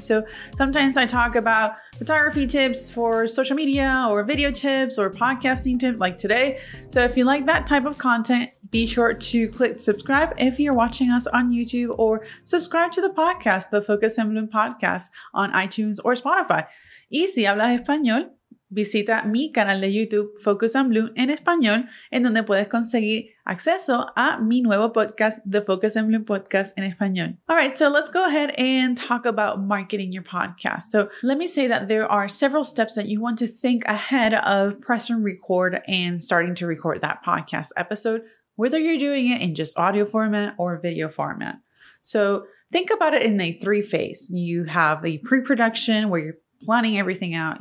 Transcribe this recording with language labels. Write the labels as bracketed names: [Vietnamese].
[English] So sometimes I talk about photography tips for social media or video tips or podcasting tips like today. So if you like that type of content, be sure to click subscribe if you're watching us on YouTube, or subscribe to the podcast, the Focus and Bloom podcast, on iTunes or Spotify. [Spanish] Y si hablas español, visita mi canal de YouTube, Focus and Bloom, en español, en donde puedes conseguir acceso a mi nuevo podcast, The Focus and Bloom Podcast, en español. [English] All right, so let's go ahead and talk about marketing your podcast. So let me say that there are several steps that you want to think ahead of pressing record and starting to record that podcast episode, whether you're doing it in just audio format or video format. So think about it in a three phase. You have the pre-production where you're planning everything out.